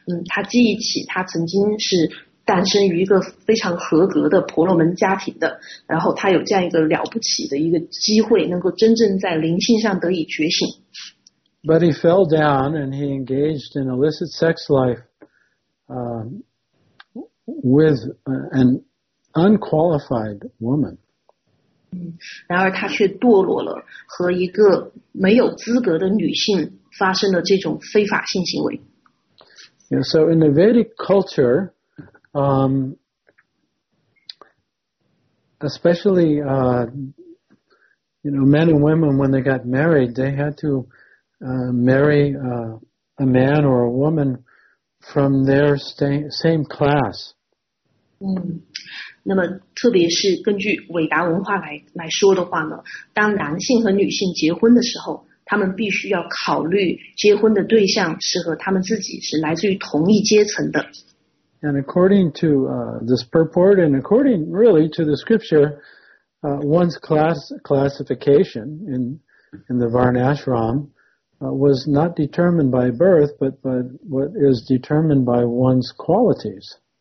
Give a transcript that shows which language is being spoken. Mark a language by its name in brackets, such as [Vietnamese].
[Chinese] 他记忆起他曾经是诞生于一个非常合格的婆罗门家庭的，然后他有这样一个了不起的一个机会，能够真正在灵性上得以觉醒。 [English] But he fell down and he engaged in illicit sex life. With an unqualified woman. [Chinese] 然而他却堕落了，和一个没有资格的女性发生了这种非法性行为。 [English] Yeah, so in the Vedic culture, especially, men and women, when they got married, they had to marry a man or a woman from their same class. [Chinese] 那么特别是根据韦达文化来说的话呢，当男性和女性结婚的时候，他们必须要考虑结婚的对象是和他们自己是来自于同一阶层的。 [English] And according to this purport, and according really to the scripture, one's classification in the Varnashram was not determined by birth, but what is determined by one's qualities.